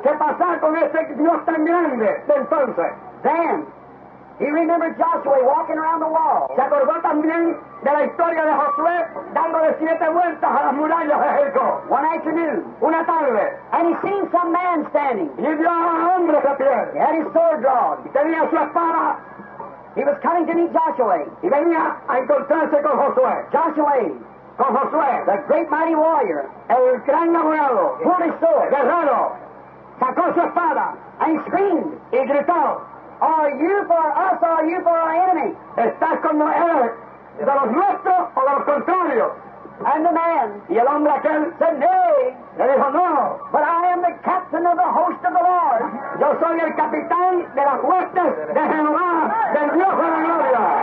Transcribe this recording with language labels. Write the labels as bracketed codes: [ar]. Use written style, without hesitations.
[es] ¿Qué pasó con ese Dios tan grande de entonces? [en] Then, he remembered Joshua walking around the wall. [es] Se acordó también de la historia de Josué dándole 7 vueltas a las murallas de Jericó. [en] One afternoon. [es] Una tarde. [en] And he seen some man standing. [es] Y vio a un hombre de pie. [en] He had his sword drawn. [es] Y tenía su espada. [en] He was coming to meet Joshua. [es] Y venía a encontrarse con Josué. [en] Joshua. [es] Con Josué. [en] The great mighty warrior. [es] El gran abogado. [en] Pulled his sword. [es] Guerrero. Sacó su espada. [en] And he screamed. [es] Y gritó. [en] Are you for us or are you for our enemy? [es] ¿Estás con nosotros, de los nuestros o de los contrarios? [en] And the man. [es] Y el hombre aquel. [en] Said, nay. [es] Le dijo, no. [en] But I am the captain of the host of the Lord. [es] Yo soy el capitán de las huestes de Jehová, del Dios de la gloria.